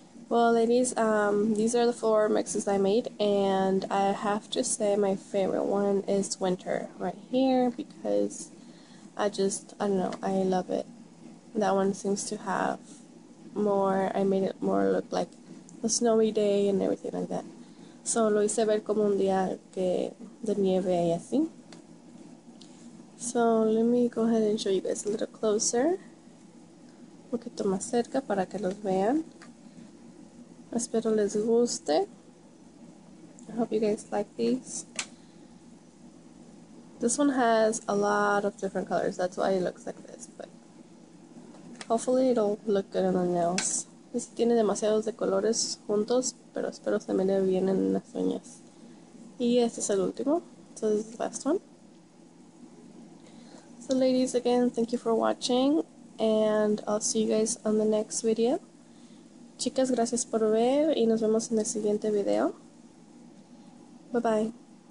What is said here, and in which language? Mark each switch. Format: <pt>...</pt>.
<en>Well, ladies, these are the four mixes I made, and I have to say my favorite one is winter right here, because I just, I don't know, I love it. That one seems to have more, I made it more look like a snowy day and everything like that.</en> <es>So, lo hice ver como un día que de nieve y así.</es> <en>So, let me go ahead and show you guys a little closer.</en> <es>Un poquito más cerca para que los vean. Espero les guste.</es> <en>I hope you guys like these. This one has a lot of different colors. That's why it looks like this. But hopefully it'll look good on the nails.</en> <es>Tiene demasiados de colores juntos, pero espero se mire bien en las uñas. Y este es el último.</es> <en>So this is the last one. So ladies, again, thank you for watching. And I'll see you guys on the next video.</en> <es>Chicas, gracias por ver. Y nos vemos en el siguiente video. Bye bye.</es>